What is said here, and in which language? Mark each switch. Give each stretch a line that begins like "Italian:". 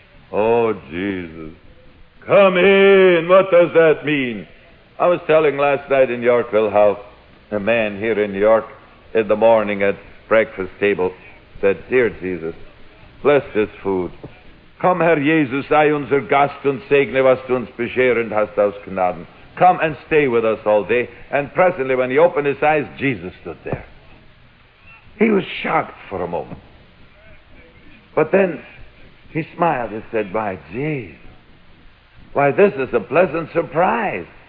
English: Oh, Jesus. Come in. What does that mean? I was telling last night in Yorkville how a man here in New York in the morning at breakfast table said, dear Jesus, bless this food.
German: Komm, Herr Jesus, sei unser Gast und segne, was du uns bescherend hast aus Gnaden.
English: Come and stay with us all day. And presently, when he opened his eyes, Jesus stood there. He was shocked for a moment. But then he smiled and said, my Jesus, why, this is a pleasant surprise.